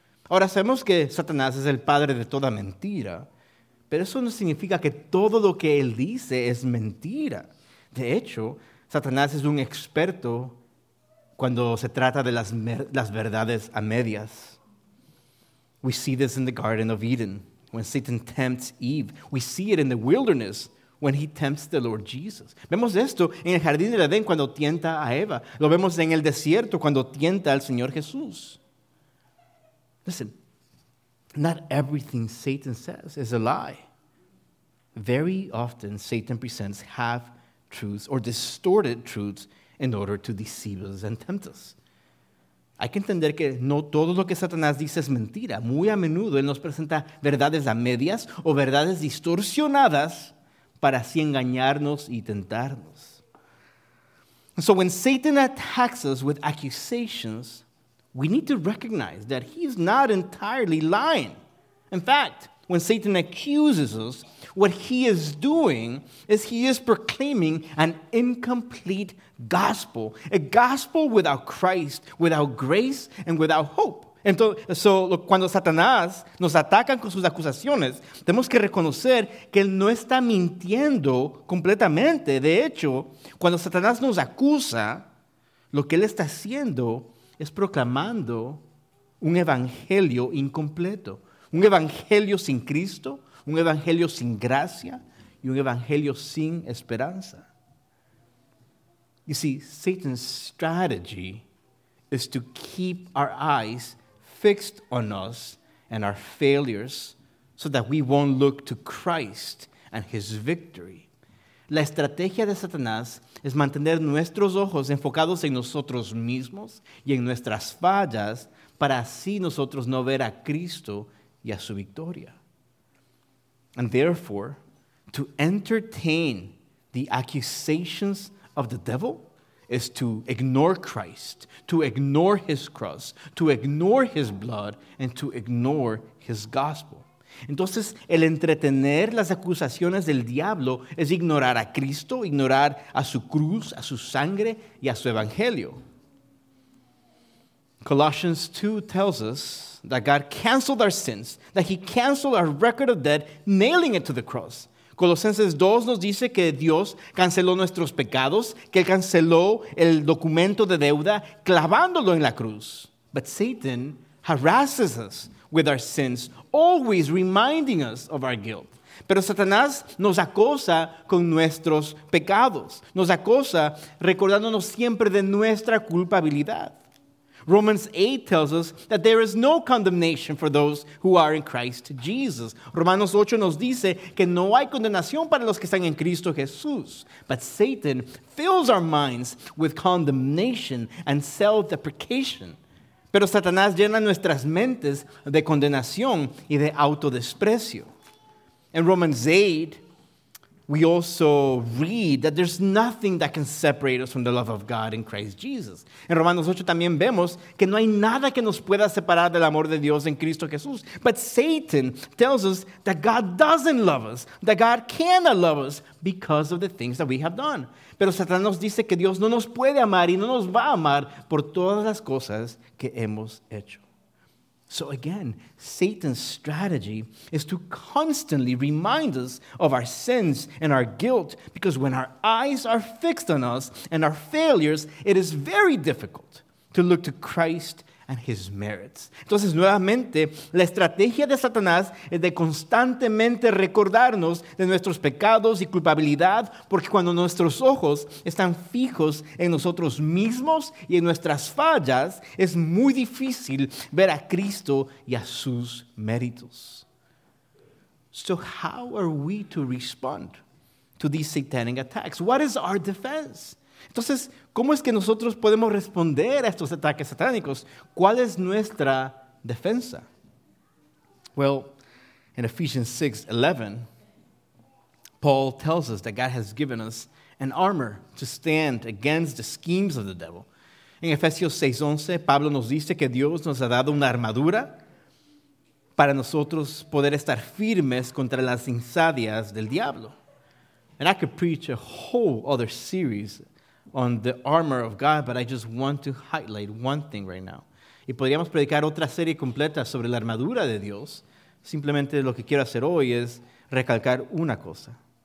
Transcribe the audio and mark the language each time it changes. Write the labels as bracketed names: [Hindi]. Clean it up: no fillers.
[Spanish] Ahora, sabemos que Satanás es el padre de toda mentira, pero eso no significa que todo lo que él dice es mentira. De hecho, Satanás es un experto cuando se trata de las verdades a medias. [English] We see this in the Garden of Eden, when Satan tempts Eve. We see it in the wilderness when he tempts the Lord Jesus. [Spanish] Vemos esto en el jardín del Edén cuando tienta a Eva. Lo vemos en el desierto cuando tienta al Señor Jesús. [English] Listen, not everything Satan says is a lie. Very often Satan presents half-truths or distorted truths in order to deceive us and tempt us. [Spanish] Hay que entender que no todo lo que Satanás dice es mentira. Muy a menudo él nos presenta verdades a medias o verdades distorsionadas para así engañarnos y tentarnos. [English] So when Satan attacks us with accusations, we need to recognize that he is not entirely lying. In fact, when Satan accuses us, what he is doing is he is proclaiming an incomplete gospel, a gospel without Christ, without grace, and without hope. [Spanish] Entonces, cuando Satanás nos ataca con sus acusaciones, tenemos que reconocer que él no está mintiendo completamente. De hecho, cuando Satanás nos acusa, lo que él está haciendo es proclamando un evangelio incompleto. Un evangelio sin Cristo, un evangelio sin gracia y un evangelio sin esperanza. [English] You see, Satan's strategy is to keep our eyes fixed on us and our failures so that we won't look to Christ and his victory. [Spanish] La estrategia de Satanás es mantener nuestros ojos enfocados en nosotros mismos y en nuestras fallas para así nosotros no ver a Cristo y a su victoria. [English] And therefore, to entertain the accusations of the devil is to ignore Christ, to ignore his cross, to ignore his blood, and to ignore his gospel. [Spanish] Entonces, el entretener las acusaciones del diablo es ignorar a Cristo, ignorar a su cruz, a su sangre, y a su evangelio. [English] Colossians 2 tells us that God canceled our sins, that he canceled our record of debt, nailing it to the cross. [Spanish] Colosenses 2 nos dice que Dios canceló nuestros pecados, que él canceló el documento de deuda, clavándolo en la cruz. [English] But Satan harasses us with our sins, always reminding us of our guilt. [Spanish] Pero Satanás nos acosa con nuestros pecados, nos acosa recordándonos siempre de nuestra culpabilidad. [English] Romans 8 tells us that there is no condemnation for those who are in Christ Jesus. [Spanish] Romanos 8 nos dice que no hay condenación para los que están en Cristo Jesús. [English] But Satan fills our minds with condemnation and self-deprecation. [Spanish] Pero Satanás llena nuestras mentes de condenación y de autodesprecio. [English] In Romans 8, we also read that there's nothing that can separate us from the love of God in Christ Jesus. [Spanish] En Romanos 8 también vemos que no hay nada que nos pueda separar del amor de Dios en Cristo Jesús. [English] But Satan tells us that God doesn't love us, that God cannot love us because of the things that we have done. [Spanish] Pero Satanás nos dice que Dios no nos puede amar y no nos va a amar por todas las cosas que hemos hecho. [English] So again, Satan's strategy is to constantly remind us of our sins and our guilt, because when our eyes are fixed on us and our failures, it is very difficult to look to Christ and his merits. [Spanish] Entonces, nuevamente, la estrategia de Satanás es de constantemente recordarnos de nuestros pecados y culpabilidad, porque cuando nuestros ojos están fijos en nosotros mismos y en nuestras fallas, es muy difícil ver a Cristo y a sus méritos. [English] So how are we to respond to these satanic attacks? What is our defense? [Spanish] Entonces, ¿cómo es que nosotros podemos responder a estos ataques satánicos? ¿Cuál es nuestra defensa? [English] Well, in Ephesians 6:11, Paul tells us that God has given us an armor to stand against the schemes of the devil. [Spanish] En Efesios 6:11, Pablo nos dice que Dios nos ha dado una armadura para nosotros poder estar firmes contra las insidias del diablo. [English] And I could preach a whole other series on the armor of God, but I just want to highlight one thing right now. [Spanish] Y podríamos predicar otra serie completa sobre la armadura de Dios. Simplemente lo que quiero hacer hoy es recalcar una cosa.